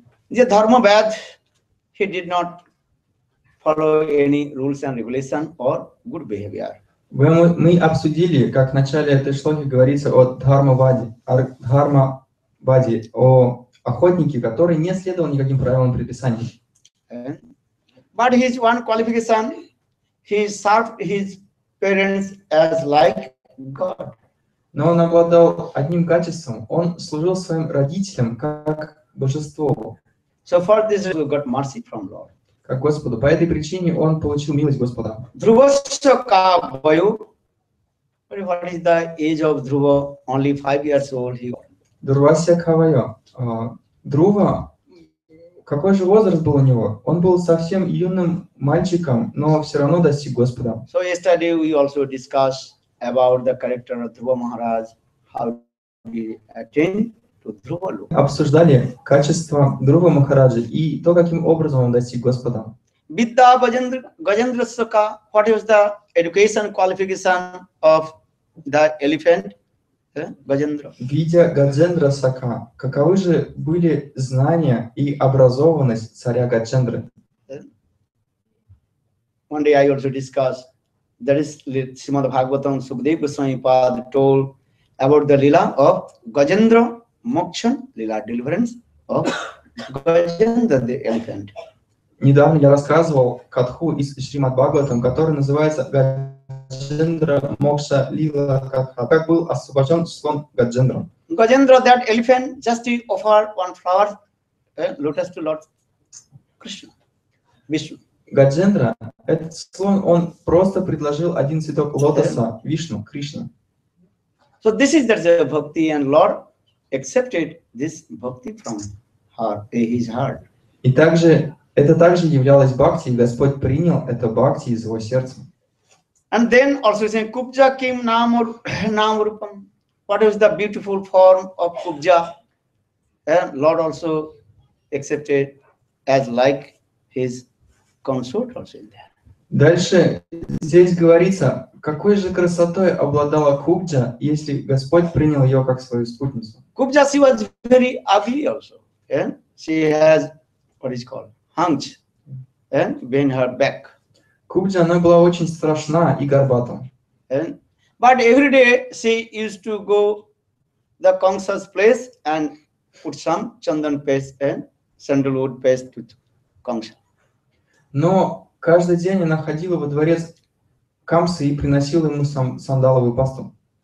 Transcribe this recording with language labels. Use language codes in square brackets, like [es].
[en] The Dharma Vaid, he did not follow any rules and regulations or good behavior. [ru] Мы обсудили, как в начале этой шлоки говорится о Дхарма Ваде, о охотнике, который не следовал никаким правилам и предписаниям. [en] But his one qualification, he served his parents as like God. [ru] Но он обладал одним качеством. Он служил своим родителям как божество. [en] So for this he got mercy from Lord. [ru] Как Господу. По этой причине он получил милость Господа. [sa] Dhruvasya ka vayu. [en] What is the age of Dhruva? Only 5 years old he got. [sa] Dhruvasya ka vayu. Dhruva. [ru] Какой же возраст был у него? Он был совсем юным мальчиком, но все равно достиг Господа. [en] So yesterday we also discussed about the character of Dhruva Maharaj, how he attained to Dhruva Loka. [ru] Обсуждали качество Дхрува Махараджа и то, каким образом он достиг Господа. [sa] Vidya Gajendrasya ka, [en] what was the education qualification of the elephant? [sa] Vidya Gajendra Saka, [ru] каковы же были знания и образованность царя Гаджендры? [en] One day I also discussed, there is Srimad Bhagavatam Sukadeva Goswami Pad told about the Lila of Gajendra Mokshan, Lila deliverance of Gajendra the elephant. [ru] Недавно я рассказывал катху из Шримад Бхагаватам, который называется Gajendra Moksha Lila Katha, как был освобожден слон Gajendra. [en] Gajendra, that elephant, just offered one flower, lotus to Lord Krishna, Vishnu. [ru] Gajendra, этот слон, он просто предложил один цветок лотоса Вишну, Кришне. [en] So this is the bhakti, and Lord accepted this bhakti from his heart. [ru] И также это также являлось бхакти, Господь принял это бхакти из его сердца. [en] And then also saying [sa] Kubja Kim Namurupam. [en] What is the beautiful form of Kubja? And Lord also accepted as like his consort also in there. [ru] Дальше здесь говорится, Какой же красотой обладала Кубджа, если Господь принял ее как свою спутницу? [en] Кубджа, she was very ugly also, and she has what is called hunch, and bend her back. [ru] Кубджа, она была очень страшна и горбата. [en] And but every day she used to go the Kamsa's place and put some chandan paste and sandalwood paste to Kamsa. [ru] Но каждый день она ходила во дворец Камсы и приносила ему сандаловую пасту.